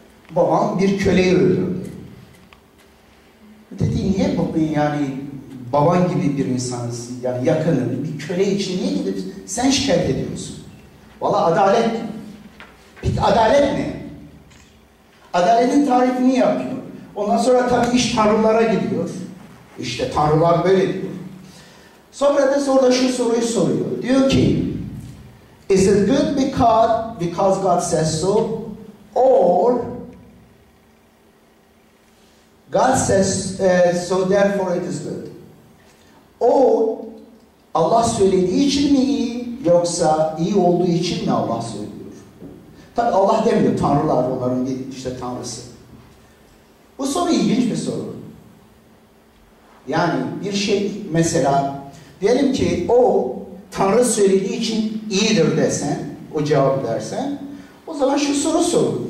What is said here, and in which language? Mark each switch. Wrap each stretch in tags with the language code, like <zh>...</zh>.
<tr>Babam bir köleyi öldürdü. Dedi niye babayı, yani baban gibi bir insansın, yani yakının bir köle için niye gidip sen şikayet ediyorsun? Valla adalet. Peki adalet ne? Adaletin tarifini yapıyor. Ondan sonra tabii iş tarlalara gidiyor. İşte tarlalar böyle diyor. Sokrates orada şu soruyu soruyor. Diyor ki,</tr> <en>is it good because God says so, or God says so therefore it is good.</en> <tr>O Allah söylediği için mi iyi, yoksa iyi olduğu için mi Allah söylüyor? Tabi Allah demiyor, tanrılar onların işte tanrısı. Bu soru ilginç bir soru. Yani bir şey mesela diyelim ki o tanrı söylediği için iyidir desen, o cevabı dersen, o zaman şu soru sorun.</tr>